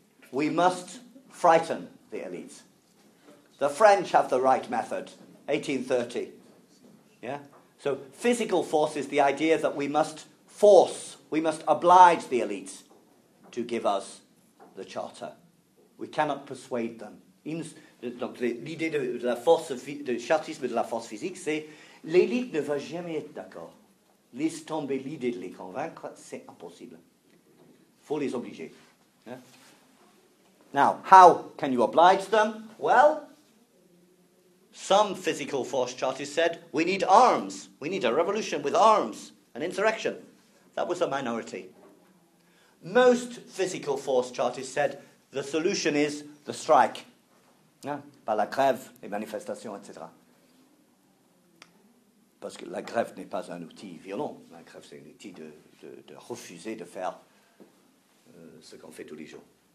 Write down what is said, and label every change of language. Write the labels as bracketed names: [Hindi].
[English] We must frighten the elites. The French have the right method, 1830. Yeah? So physical force is the idea that we must force, we must oblige the elites to give us the charter. We cannot persuade them. [French] Donc l'idée de la force de chartisme, de la force physique, c'est l'élite ne va jamais être d'accord. Laisse tomber l'idée de les convaincre, c'est impossible. Faut les obliger. [English] Yeah? Now, how can you oblige them? Well, some physical force Chartists said, we need arms. We need a revolution with arms, an insurrection. That was a minority. Most physical force Chartists said, the solution is the strike. [French] Yeah. Par la grève, les manifestations, etc. Parce que la grève n'est pas un outil violent. La grève, c'est un outil de refuser de faire ce qu'on fait tous les jours.